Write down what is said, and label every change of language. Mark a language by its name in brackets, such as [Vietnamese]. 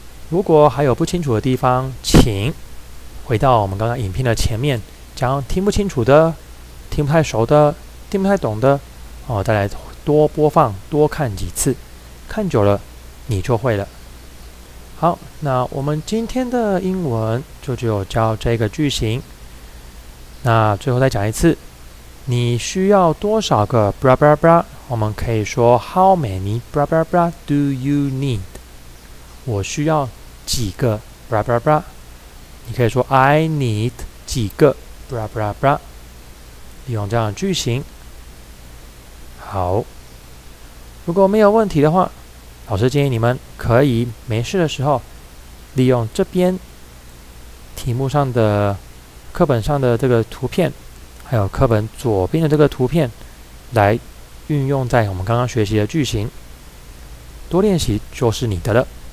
[Chinese] 如果还有不清楚的地方，请回到我们刚刚影片的前面，将听不清楚的、听不太熟的、听不太懂的，哦，再来多播放、多看几次，看久了你就会了。好，那我们今天的英文就只有教这个剧情。那最后再讲一次，你需要多少个 [English] bra bra bra？ [Chinese] 我们可以说 [English] How many bra bra bra do you need？ [Chinese] 我需要几个 [English] bra bra bra？ [Chinese] 你可以说 [English] I need [Chinese] 几个 bra bra bra？利用这样的句型。好，如果没有问题的话，老师建议你们可以没事的时候利用这边题目上的。课本上的这个图片，还有课本左边的这个图片，来运用在我们刚刚学习的句型，多练习就是你的了。